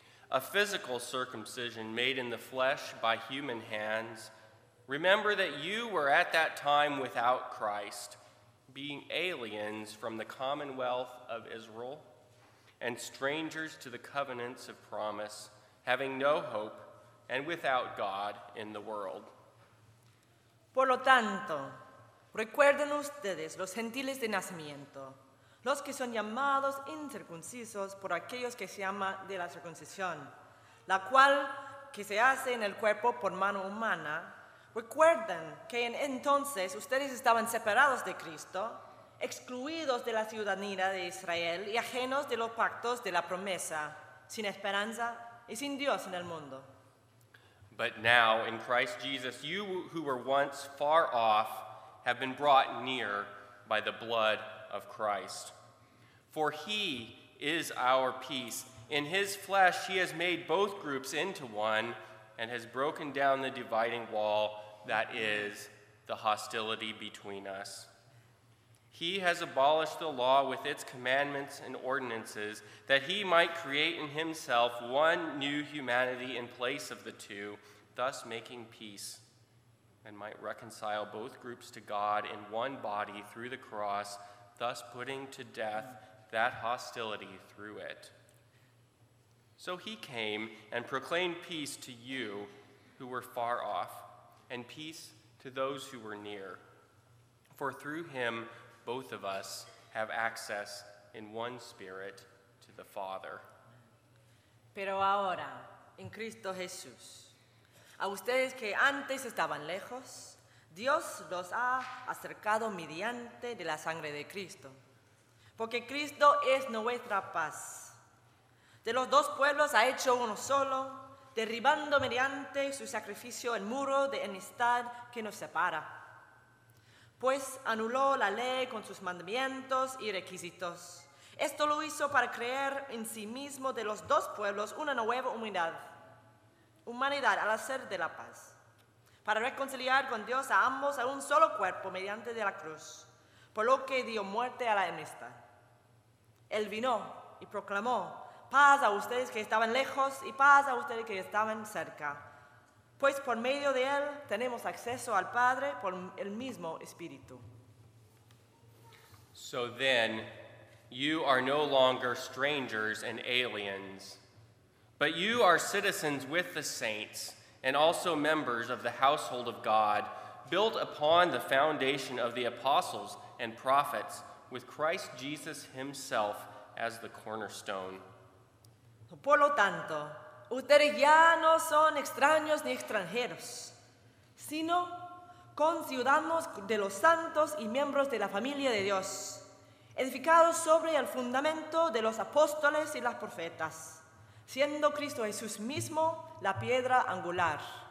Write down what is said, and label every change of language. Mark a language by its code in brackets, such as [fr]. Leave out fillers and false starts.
[en] a physical circumcision made in the flesh by human hands, remember that you were at that time without Christ, being aliens from the commonwealth of Israel and strangers to the covenants of promise, having no hope and without God in the world. [es] Por lo tanto, recuerden ustedes los gentiles de nacimiento, los que son llamados incircuncisos por aquellos que se llaman de la circuncisión, la cual que se hace en el cuerpo por mano humana. Recuerden que en entonces ustedes estaban separados de Cristo, excluidos de la ciudadanía de Israel y ajenos de los pactos de la promesa, sin esperanza y sin Dios en el mundo. [en] But now, in Christ Jesus, you who were once far off have been brought near by the blood of Christ. For he is our peace. In his flesh he has made both groups into one and has broken down the dividing wall, that is, the hostility between us. He has abolished the law with its commandments and ordinances, that he might create in himself one new humanity in place of the two, thus making peace, and might reconcile both groups to God in one body through the cross, thus putting to death that hostility through it. So he came and proclaimed peace to you who were far off, and peace to those who were near. For through him, both of us have access in one spirit to the Father. [es] Pero ahora, en Cristo Jesús, a ustedes que antes estaban lejos, Dios los ha acercado mediante de la sangre de Cristo. Porque Cristo es nuestra paz. De los dos pueblos ha hecho uno solo, derribando mediante su sacrificio el muro de enemistad que nos separa. Pues anuló la ley con sus mandamientos y requisitos. Esto lo hizo para crear en sí mismo de los dos pueblos una nueva humanidad al hacer de la paz, para reconciliar con Dios a ambos a un solo cuerpo mediante de la cruz, por lo que dio muerte a la enemistad. Él vino y proclamó paz a ustedes que estaban lejos y paz a ustedes que estaban cerca. Pues por medio de él tenemos acceso al Padre por el mismo Espíritu. [en] So then, you are no longer strangers and aliens, but you are citizens with the saints and also members of the household of God, built upon the foundation of the apostles and prophets, with Christ Jesus himself as the cornerstone. [es] Por lo tanto, ustedes ya no son extraños ni extranjeros, sino conciudadanos de los santos y miembros de la familia de Dios, edificados sobre el fundamento de los apóstoles y las profetas, siendo Cristo Jesús mismo la piedra angular.